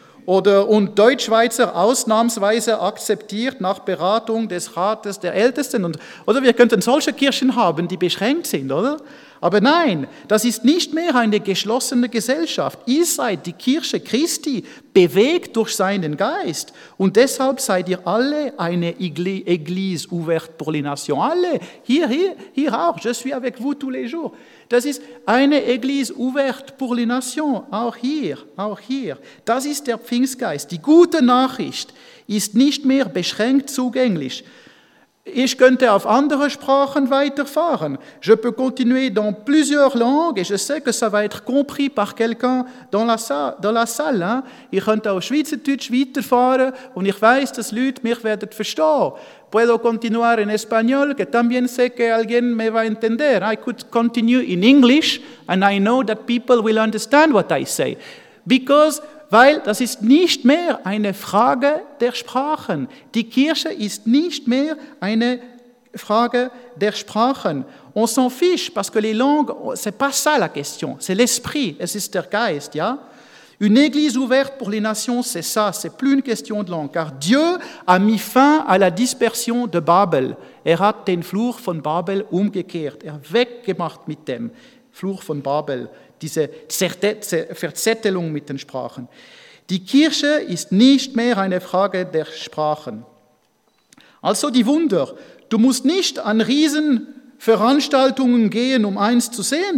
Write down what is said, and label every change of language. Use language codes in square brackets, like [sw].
[de] Oder und Deutschschweizer ausnahmsweise akzeptiert nach Beratung des Rates der Ältesten. Oder wir könnten solche Kirchen haben, die beschränkt sind, oder? Aber nein, das ist nicht mehr eine geschlossene Gesellschaft. Ihr seid die Kirche Christi, bewegt durch seinen Geist. Und deshalb seid ihr alle eine [fr] Église ouverte pour les nations. [de] Alle, hier auch, [fr] je suis avec vous tous les jours. [de] Das ist eine [fr] Église ouverte pour les nations, [de] auch hier. Das ist der Pfingstgeist. Die gute Nachricht ist nicht mehr beschränkt zugänglich. Ich könnte auf andere Sprachen weiterfahren. [fr] Je peux continuer dans plusieurs langues et je sais que ça va être compris par quelqu'un dans la salle. Hein? [de] Ich könnte auf Schweizerdeutsch weiterfahren und ich weiß, dass Leute mich werden verstehen. [es] Puedo continuar en español que también sé que alguien me va a entender. [en] I could continue in English and I know that people will understand what I say. [de] Weil das ist nicht mehr eine Frage der Sprachen. Die Kirche ist nicht mehr eine Frage der Sprachen. [fr] On s'en fiche, parce que les langues, c'est pas ça la question. C'est l'esprit, [de] es ist der Geist, ja? [fr] Une église ouverte pour les nations, c'est ça, c'est plus une question de langue. Car Dieu a mis fin à la dispersion de Babel. [de] Hat den Fluch von Babel umgekehrt. Weggemacht mit dem Fluch von Babel. Diese Verzettelung mit den Sprachen. Die Kirche ist nicht mehr eine Frage der Sprachen. Also die Wunder. Du musst nicht an Riesenveranstaltungen gehen, um eins zu sehen.